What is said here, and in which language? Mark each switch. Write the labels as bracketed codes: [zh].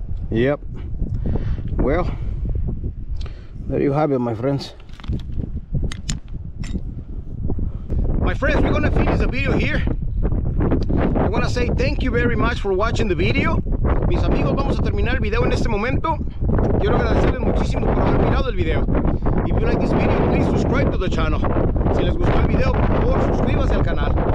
[en] Yep. Well, there you have it, my friends. My friends, we're gonna finish the video here. I wanna say thank you very much for watching the video. [es] Mis amigos, vamos a terminar el video en este momento. Quiero agradecerles muchísimo por haber mirado el video. [en] If you like this video, please subscribe to the channel. [es] Si les gustó el video, por favor, suscríbase al canal.